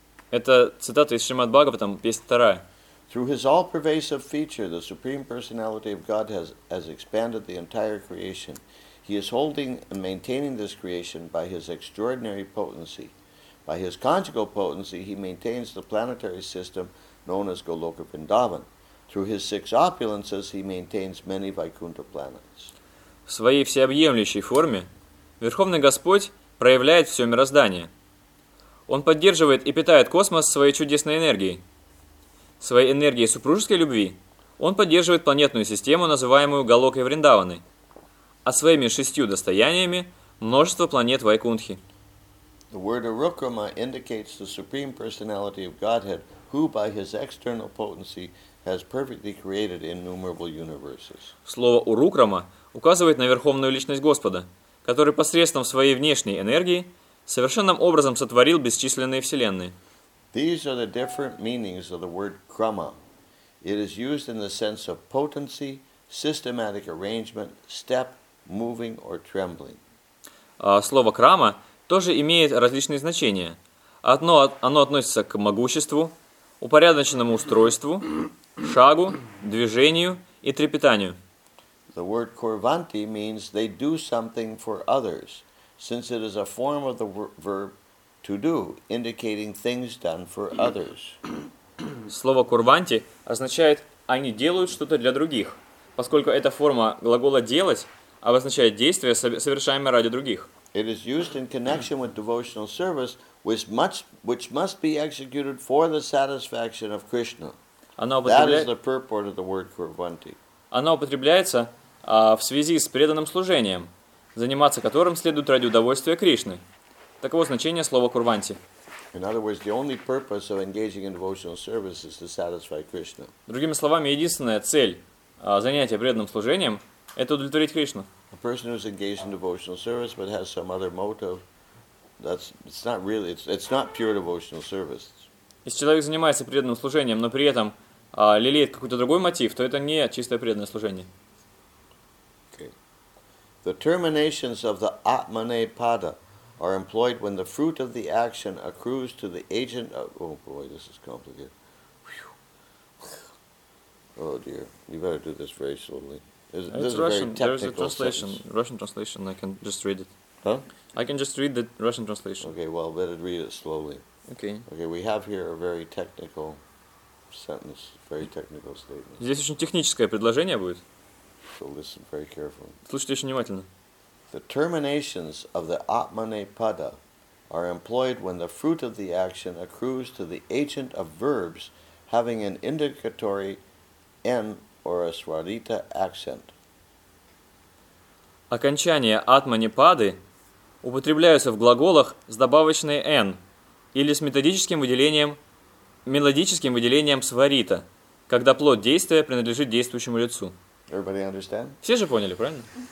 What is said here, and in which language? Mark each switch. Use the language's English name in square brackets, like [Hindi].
[Russian] Это цитата из Шримад Бхагаватам, песня 2. [English] Through his all-pervasive feature, the Supreme Personality of God has expanded the entire creation. He is holding and maintaining this creation by his extraordinary potency. By his conjugal potency, he maintains the planetary system known as Goloka Vrindavan. Through his six opulences, he maintains many Vaikuntha planets. [Russian] В своей всеобъемлющей форме Верховный Господь проявляет все мироздание. Он поддерживает и питает космос своей чудесной энергией. Своей энергией супружеской любви он поддерживает планетную систему, называемую Голокой Вриндаваной, а своими шестью достояниями множество планет Вайкунтхи. [English] The word Urukrama indicates the supreme personality of Godhead, who by his external potency has perfectly created innumerable universes. [Russian] Слово Урукрама указывает на верховную личность Господа, который посредством своей внешней энергии совершенным образом сотворил бесчисленные вселенные. [English] These are the different meanings of the word Krama. It is used in the sense of potency, systematic arrangement, step, moving or trembling. [Russian] Слово «крама» тоже имеет различные значения. Оно относится к могуществу, упорядоченному устройству, шагу, движению и трепетанию. [English] The word «курванти» means they do something for others, since it is a form of the verb to do, indicating things done for others. [Russian] Слово «курванти» означает «они делают что-то для других», поскольку это форма глагола «делать», обозначает действия, совершаемые ради других. [English] It is used in connection with devotional service, which must be executed for the satisfaction of Krishna. That is the purport of the word Kurvanti. [Russian] Оно употребляется в связи с преданным служением, заниматься которым следует ради удовольствия Кришны. Таково значение слова Курванти. [English] In other words, the only purpose of engaging in devotional service is to satisfy Krishna. [Russian] Другими словами, единственная цель занятия преданным служением — это удовлетворить Кришну. [English] A person who is engaged in devotional service but has some other motive, it's not pure devotional service. [Russian] Если человек занимается преданным служением, но при этом лелеет какой-то другой мотив, то это не чистое преданное служение. [English] Okay. The terminations of the Atmane Pada are employed when the fruit of the action accrues to the agent of... Oh boy, this is complicated. Whew. Oh dear, you better do this very slowly. There is a Russian translation. I can just read it. Huh? I can just read the Russian translation. Okay, well, better read it slowly. Okay. Okay, we have here a very technical sentence, very technical statement. [Russian] Здесь очень техническое предложение будет. [English] So listen very carefully. [Russian] Слушайте очень внимательно. [English] The terminations of the Atmane Pada are employed when the fruit of the action accrues to the agent of verbs having an indicatory N or a swarita accent. [Russian] Окончания атманипады употребляются в глаголах с добавочной n или с мелодическим выделением сварита, когда плод действия принадлежит действующему лицу. [English] Everybody understand? [Russian] Все же поняли, правильно?